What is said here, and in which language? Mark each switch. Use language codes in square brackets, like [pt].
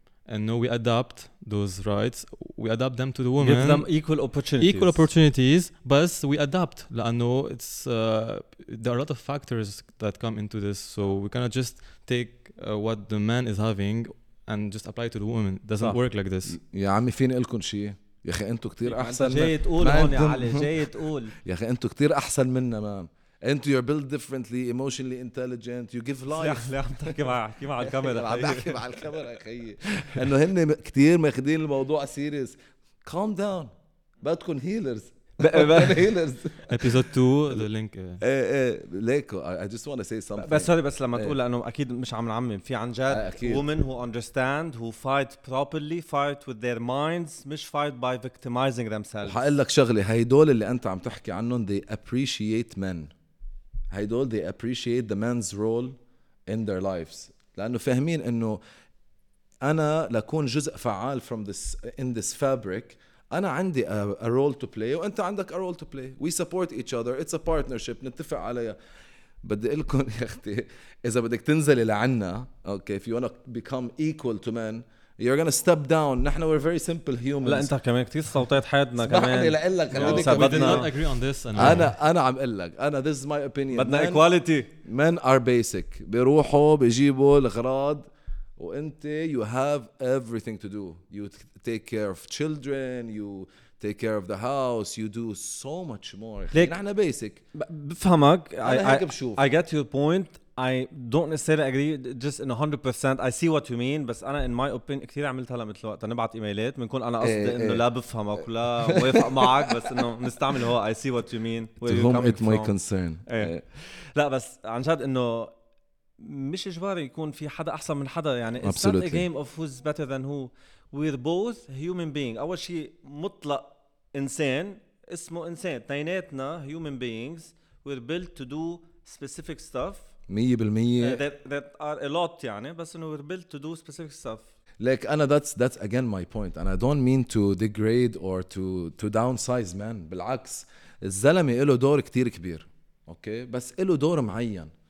[en] And now we adapt those rights, we adapt them to the woman. Give them equal opportunities. Equal opportunities, but we adapt. [ar] لأنه [en] it's, there are a lot of factors that come into this, so we cannot just take what the man is having and just apply it to the woman. Doesn't work like this. [ar] يا عمي فين لكم شيء يا اخي, انتوا كتير احسن. جاي تقول هون يا علي, جاي تقول يا اخي انتوا كتير احسن منا مان. انتوا [en] you're built differently, emotionally intelligent, you give life. [ar] لا عم تحكي مع الكاميرا, عم بحكي مع الكاميرا اخي, انه هن كتير ماخذين الموضوع سيريس. [en] calm down, [ar] بدكم هيلرز. [en] Episode 2, the link. I just want to say something. But sorry, [ar] بس لما تقول لأنه أكيد مش عم نعمم. في عن جد [en] women who understand, who fight properly, fight with their minds, [ar] مش [en] fight by victimizing themselves. [ar] حقول لك شغلي, هيدول اللي أنت عم تحكي عنهم, [en] they appreciate men. [ar] هيدول [en] they appreciate the man's role in their lives. [ar] لأنه فاهمين إنه أنا لكون جزء فعال [en] from this in this fabric. [ar] أنا عندي [en] a role to play [ar] وأنت عندك [en] a role to play. We support each other. It's a partnership. [ar] نتفق عليها. بدي إلكن يا أختي, إذا بدك تنزلي لعنا, [en] okay, if you want to become equal to men, you're gonna step down. [ar] نحن [en] we're very simple humans. [ar] لا أنت كمان كتير صوتيت حياتنا كمان. سمحني لإلك. [en] We did not agree on this. [ar] أنا عم إلك. أنا [en] this is my opinion. [ar] بدنا equality. [en] Men are basic. [ar] بيروحوا بيجيبوا الأغراض. وانت [en] you have everything to do. You take care of children, you take care of the house, you do so much more. [ar] نحن [en] basic. بفهمك. I get your point. I don't necessarily agree just in 100%. I see what you mean. [ar] بس انا [en] in my opinion [ar] كثير عملت هلا مثل وقت نبعت ايميلات بنكون انا قصدي انه لا بفهمك ولا موافق معك, بس انه نستعمل هو [en] I see what you mean. To whom it may concern. [ar] لا بس عن جد انه مش إجباري يكون في حدا أحسن من حدا, يعني [en] it's not a game of who's better than who. We're both human beings. [ar] أول شيء مطلق إنسان اسمه إنسان. تنيناتنا [en] human beings. We're built to do specific stuff. 100% That are a lot [ar] يعني, بس إنه [en] we're built to do specific stuff. Like [ar] أنا [en] that's again my point, and I don't mean to degrade or to downsize men. [ar] بالعكس الزلمة إله دور كتير كبير, [en] okay, [ar] بس إله دور معين.